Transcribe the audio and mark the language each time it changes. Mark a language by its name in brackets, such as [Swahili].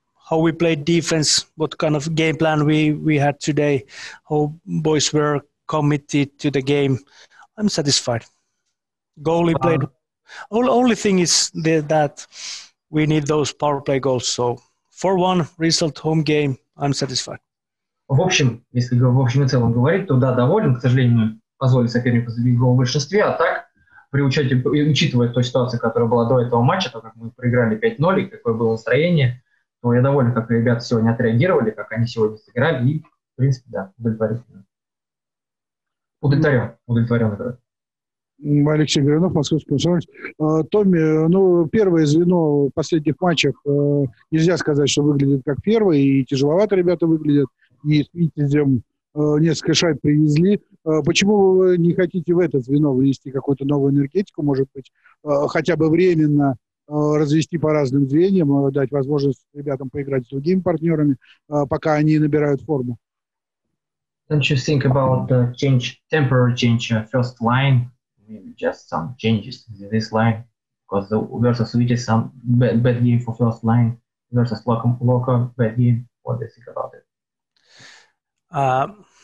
[English] How we played defense, what kind of game plan we had today, how boys were committed to the game. I'm satisfied. Goalie played. Only thing is that we need those power play goals. So 4-1 result home game, I'm satisfied. [Russian] В общем, если в общем и целом говорить, то да, доволен. К сожалению, позволить сопернику забить гол в большинстве, а так, при учете, учитывая ту ситуацию, которая была до этого матча, то как мы проиграли 5-0 и какое было настроение, то я доволен, как ребята сегодня отреагировали, как они сегодня сыграли, и, в принципе, да, удовлетворен. Удовлетворен игрой. Алексей Гринов, Московский Комсомолец. Томми, ну, первое звено в последних матчах, нельзя сказать, что выглядит как первое, и тяжеловато ребята выглядят, и с Витязем несколько шайб привезли. Почему вы не хотите в это звено внести какую-то новую энергетику, может быть, хотя бы временно развести по разным звеньям, дать возможность ребятам поиграть с другими партнерами, пока они набирают форму? [English] Don't you think about the change, temporary change, first line? Maybe just some changes in this line, because the versus Vitis some bad game for first line versus Loco bad game. What do you think about it?